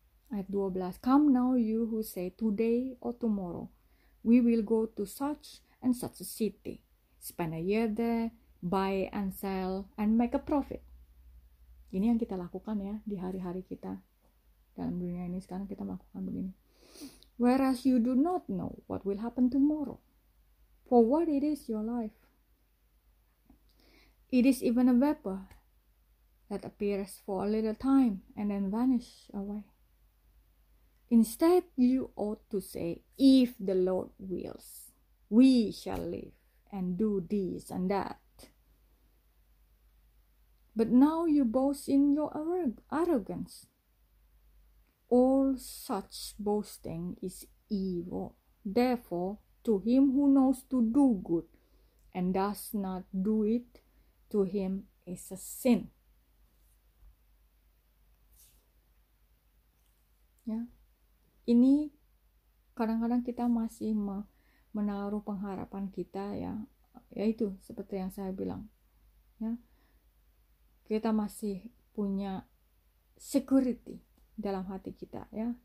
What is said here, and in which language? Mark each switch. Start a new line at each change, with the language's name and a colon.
English: Ayat 12, come now you who say today or tomorrow, we will go to such and such a city, spend a year there, buy and sell and make a profit.
Indonesian: Ini yang kita lakukan ya di hari-hari kita dalam dunia ini. Sekarang kita melakukan begini.
English: Whereas you do not know what will happen tomorrow, for what it is your life. It is even a vapor that appears for a little time and then vanish away. Instead, you ought to say, if the Lord wills, we shall live and do this and that. But now you boast in your arrogance. All such boasting is evil. Therefore, to him who knows to do good and does not do it, to him is a sin.
Indonesian: Ya. Ini kadang-kadang kita masih menaruh pengharapan kita ya, yaitu seperti yang saya bilang. Ya. Kita masih punya security dalam hati kita ya.